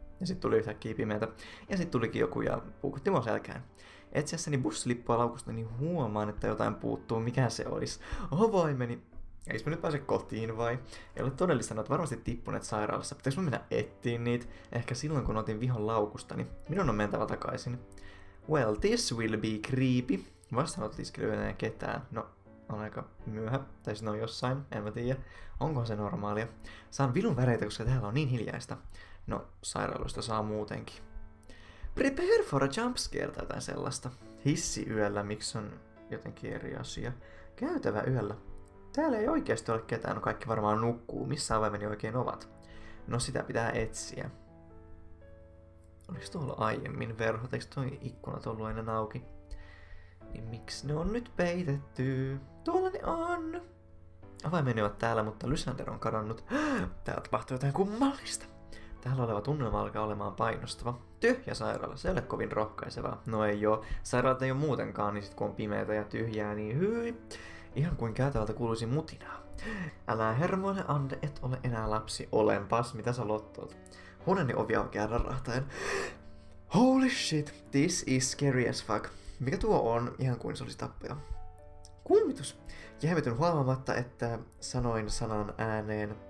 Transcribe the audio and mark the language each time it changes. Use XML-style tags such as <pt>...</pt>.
<fi>Ja sit tuli yhtäkkiä pimeätä. Ja sit tulikin joku ja puukutti mua selkään. Etsiessäni bussilippua laukusta, niin huomaan, että jotain puuttuu, mikä se olisi. Avaimeni! Eikö mä nyt pääse kotiin vai? Ei ole todellista, että varmasti tippuneet sairaalassa. Pitäis mä mennä etsiin niitä? Ehkä silloin, kun otin vihon laukustani. Minun on mentävä takaisin.</fi> <en>Well, this will be creepy.</en> <fi>Vastaanottotiskelijöitä ei ketään. No, on aika myöhä. Tai siinä on jossain, en mä tiedä. Onko se normaalia? Saan vilun väreitä, koska täällä on niin hiljaista. No, sairaaloista saa muutenkin.</fi> <en>Prepare for a jumpscare</en> <fi>tai jotain sellaista. Hissi yöllä, miksi on jotenkin eri asia? Käytävä yöllä. Täällä ei oikeasti ole ketään, no kaikki varmaan nukkuu. Missä avaimeni oikein ovat? No, sitä pitää etsiä. Oliko tuolla aiemmin verhot? Eikö toi ikkunat ollut ennen auki? Niin miksi ne on nyt peitetty? Tuolla ne on! Avaimeni ovat täällä, mutta Lysander on kadonnut. Täällä tapahtuu jotain kummallista. Täällä oleva tunnelma alkaa olemaan painostava. Tyhjä sairaala, se ei ole kovin rohkaisevaa. No ei oo. Sairaalat ei oo muutenkaan, niin sit kun on pimeätä ja tyhjää, niin hyi. Ihan kuin käytävältä kuuluisi mutinaa. Älä hermoile, Ande, et ole enää lapsi. Olenpas, mitä sä lottoot? Huoneeni ovi aukeaa rarahtaen.</fi> <en>Holy shit, this is scary as fuck.</en> <fi>Mikä tuo on? Ihan kuin se olisi tappaja. Kummitus. Jähmetyn huomaamatta, että sanoin sanan ääneen.</fi>